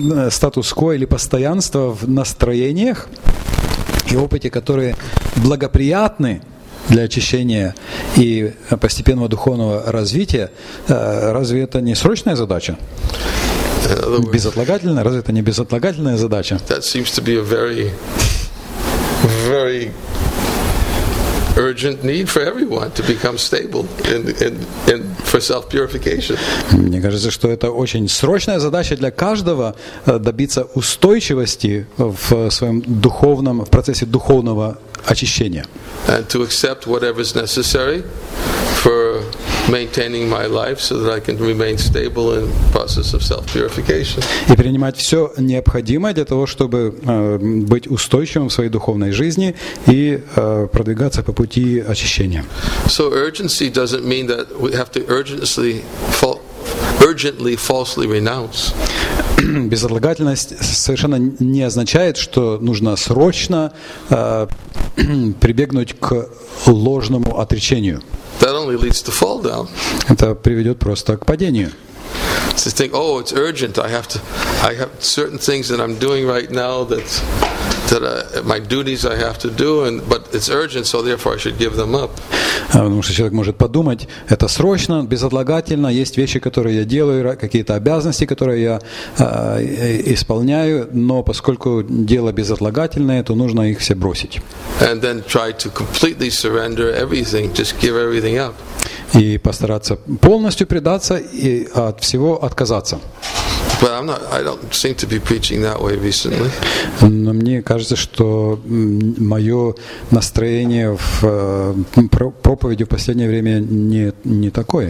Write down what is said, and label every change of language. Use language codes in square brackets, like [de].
[ru] статус-кво или постоянство в настроениях и опыте, которые благоприятны для очищения и постепенного духовного развития, разве это не срочная задача? Безотлагательно? Разве это не безотлагательная задача? [en] That seems to be a very, very urgent need for everyone to become stable and for self-purification. [ru] Мне кажется, что это очень срочная задача для каждого добиться устойчивости в своем духовном, в процессе духовного очищения. [en] And to accept whatever is necessary for maintaining my life so that I can remain stable in process of self-purification. [ru] И принимать все необходимое для того, чтобы быть устойчивым в своей духовной жизни и продвигаться по пути очищения. [en] So urgency doesn't mean that we have to urgently falsely renounce. [ru] Безотлагательность совершенно не означает, что нужно срочно прибегнуть к ложному отречению. [en] That only leads to fall down. [ru] Это приведет просто к падению. [en] To think, oh, it's urgent. I have certain things that I'm doing right now that my duties I have to do, but it's urgent, so therefore I should give them up. [ru] Потому что человек может подумать, это срочно, безотлагательно, есть вещи, которые я делаю, какие-то обязанности, которые я исполняю, но поскольку дело безотлагательное, то нужно их все бросить. [en] And then try to completely surrender everything, just give everything up. [ru] И постараться полностью предаться и от всего отказаться. [en] But I don't seem to be preaching that way recently. [ru] Но мне кажется, что мое настроение в проповеди в последнее время не такое.